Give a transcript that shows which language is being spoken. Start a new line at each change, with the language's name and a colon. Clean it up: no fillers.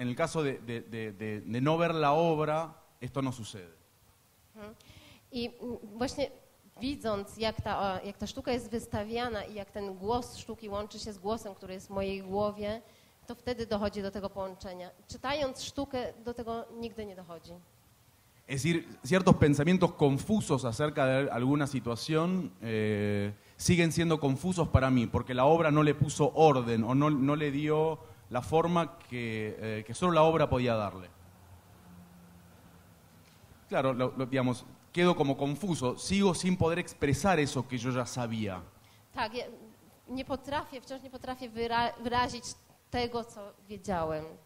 Spanish: En el caso de no ver la obra, esto no sucede.
Polish: I właśnie widząc, jak ta sztuka jest wystawiana i jak ten głos sztuki łączy się z głosem, który jest w mojej głowie, to wtedy dochodzi do tego połączenia. Czytając sztukę, do tego nigdy nie dochodzi.
Spanish: Es decir, ciertos pensamientos confusos acerca de alguna situación siguen siendo confusos para mí, porque la obra no le puso orden o no le dio la forma que solo la obra podía darle. Claro, digamos, quedo como confuso, sigo sin poder expresar eso que yo ya sabía.
Polish: Tak, ja nie potrafię, wciąż nie potrafię wyrazić tego, co wiedziałem.